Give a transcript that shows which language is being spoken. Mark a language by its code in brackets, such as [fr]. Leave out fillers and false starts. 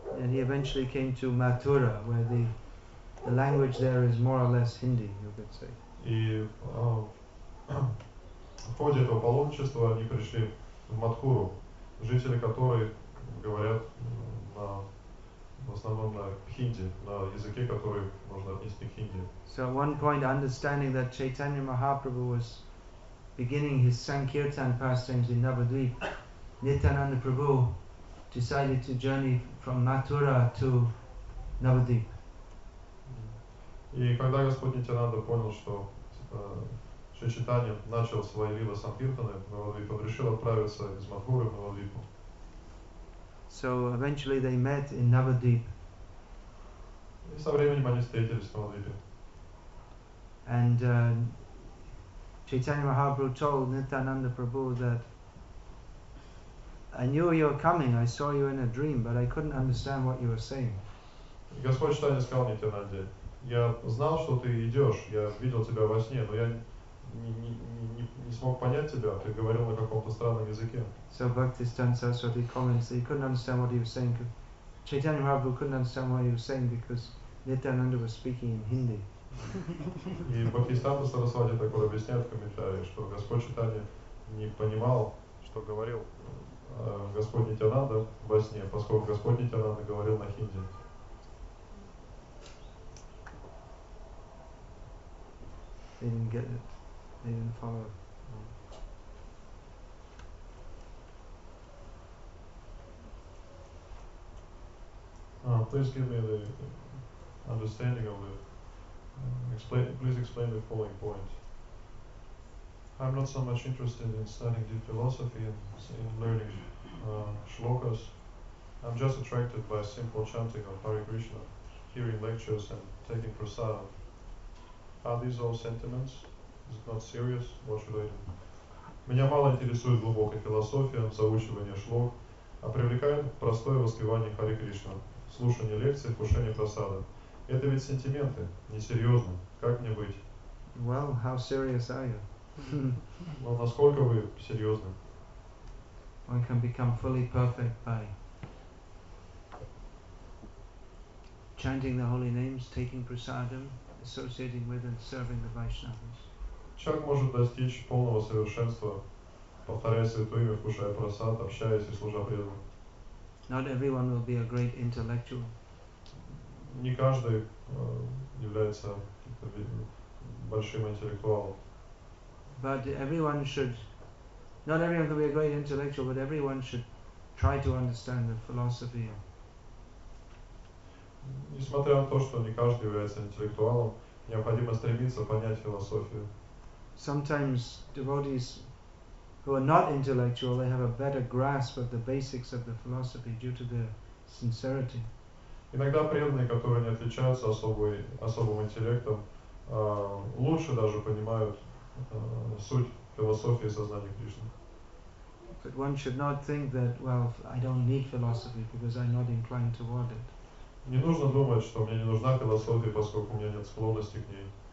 [en] And he eventually came to Mathura, where the language there is more or less Hindi, you could say. [ru] И в ходе этого паломничества они пришли в Матхуру, жители которой говорят на в основном на хинди, на языке, который можно отнести к хинди. [en] So at one point, understanding that Chaitanya Mahaprabhu was beginning his Sankirtan pastimes in Navadvip, Nityananda Prabhu decided to journey from Mathura to Navadvip. [ru] И когда Господь Нитянанда понял, что Чайтанья начал свои лила Санкиртаны в Навадвипе, решил отправиться из Матхуры в Навадвипу. [en] So eventually they met in Navadvip. [ru] И со временем они встретились в Навадвипе. [en] And Chaitanya Mahaprabhu told Nityananda Prabhu that I knew you were coming, I saw you in a dream, but I couldn't understand what you were saying. [ru] Господь Чайтанья сказал Нитянанде, я знал, что ты идешь, я видел тебя во сне, но я не смог понять тебя, ты говорил на каком-то странном языке. [en] So Bhaktisthana Saraswati comments that he couldn't understand what he was saying. Chaitanya Mahaprabhu couldn't understand what he was saying because Nityananda was speaking in Hindi. [ru] И Бхактистанта Сарасвати такое объясняет в комментариях, что Господь Чайтанья не понимал, что говорил Господь Нитянанда во сне, поскольку Господь Нитянанда говорил на хинди. [en] They didn't get it. They didn't follow. Please give me the understanding of it. Please explain the following point. I'm not so much interested in studying deep philosophy and in learning shlokas. I'm just attracted by simple chanting of Hare Krishna, hearing lectures and taking prasadam. Are these all sentiments? Is it not serious? What should I do? [ru] Меня мало интересует глубокая философия, заучивание шлок, а привлекает простое воспевание Хари Кришна, слушание лекций, кушание просады. Это ведь сентименты, несерьезно. Как мне быть? [en] Well, how serious are you? [ru] Но насколько вы серьезны? [en] One can become fully perfect by chanting the holy names, taking prasadam, associating with and serving the Vaishnavas. [ru] Человек может достичь полного совершенства, повторяя святое имя, кушая просад, общаясь и служа преданным. [en] Not everyone will be a great intellectual. [ru] Не каждый является большим интеллектуалом. [en] But everyone should, not everyone will be a great intellectual, but everyone should try to understand the philosophy. [ru] Несмотря на то, что не каждый является интеллектуалом, необходимо стремиться понять философию. [en] Sometimes devotees who are not intellectual, they have a better grasp of the basics of the philosophy due to their sincerity. [ru] Иногда преданные, которые не отличаются особым интеллектом, лучше даже понимают суть философии сознания Кришны. [en] But one should not think that, well, I don't need philosophy because I'm not inclined toward it. [ru] Не нужно думать, что мне не нужна философия, поскольку у меня нет склонности к ней.